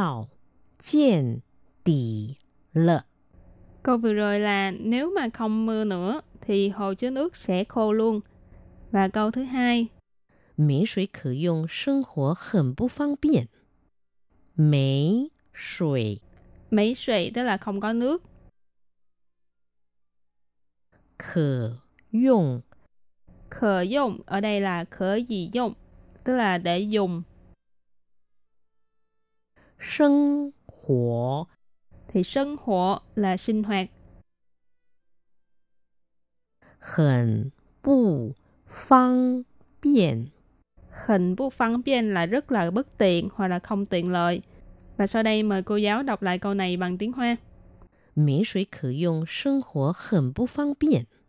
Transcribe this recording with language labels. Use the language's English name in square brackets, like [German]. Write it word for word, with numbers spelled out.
[Chinese] 再不下雨，水库就要见底了. Lợ. [Vietnamese] Câu vừa rồi là nếu mà không mưa nữa thì hồ chứa nước sẽ khô luôn. Và câu thứ hai, [Chinese] 没水可用，生活很不方便. 没水. 没水 [Vietnamese] tức là không có nước. [Chinese] 可用. 可用 [Vietnamese] ở đây là [Chinese] 可以用, [Vietnamese] tức là để dùng. [Chinese] 生活. [Vietnamese] Thì sinh hoạt là sinh hoạt. [Chinese] 很不方便. 很不方便 [Vietnamese] là rất là bất tiện hoặc là không tiện lợi. Và sau đây mời cô giáo đọc lại câu này bằng tiếng Hoa. [Chinese] 没水可用，生活很不方便.